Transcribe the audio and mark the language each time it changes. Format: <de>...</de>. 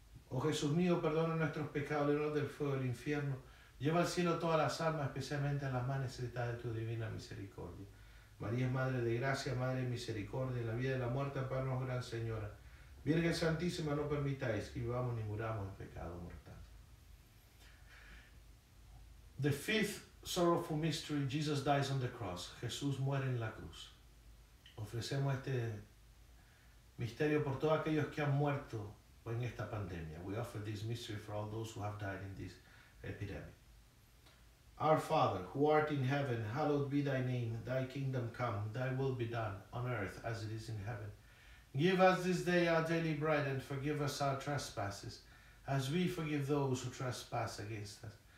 <es>Oh Jesús mío, perdona nuestros pecados, líbranos del fuego del infierno. Lleva al cielo todas las almas, especialmente las más necesitadas de tu divina misericordia. María es Madre de Gracia, Madre de Misericordia, en la vida y la muerte, ampáranos, Gran Señora. Virgen Santísima, no permitáis que vivamos ni muramos en pecado mortal.</es> <en>The fifth sorrowful mystery, Jesus dies on the cross.</en> <es>Jesús muere en la cruz. Ofrecemos este misterio por todos aquellos que han muerto en esta pandemia.</es> <en>We offer this mystery for all those who have died in this epidemic. Our Father, who art in heaven, hallowed be thy name. Thy kingdom come, thy will be done, on earth as it is in heaven. Give us this day our daily bread, and forgive us our trespasses, as we forgive those who trespass against us.</en>